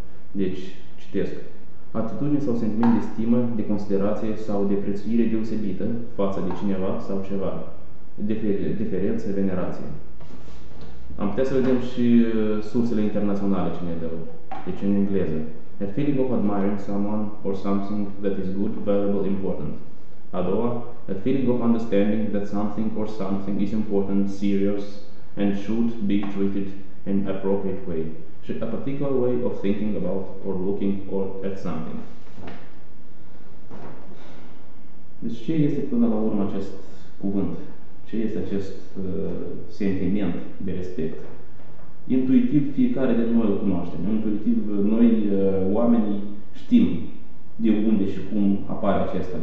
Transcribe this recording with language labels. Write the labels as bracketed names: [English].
[Romanian] Deci, citesc. Atitudine sau sentiment de stimă, de considerație sau de prețuire deosebită față de cineva sau ceva. Deferență, venerație. Am putea să vedem și sursele internaționale ce ne dau. Deci în engleză. [English] A feeling of admiring someone or something that is good, valuable, important. [Romanian] A doua, [English] a feeling of understanding that something or something is important, serious and should be treated in appropriate way. A particular way of thinking about or looking or at something. [Romanian] Deci ce este până la urmă acest cuvânt? Ce este acest sentiment de respect? Intuitiv, fiecare de noi îl cunoaștem. Intuitiv, noi oamenii știm de unde și cum apare acesta.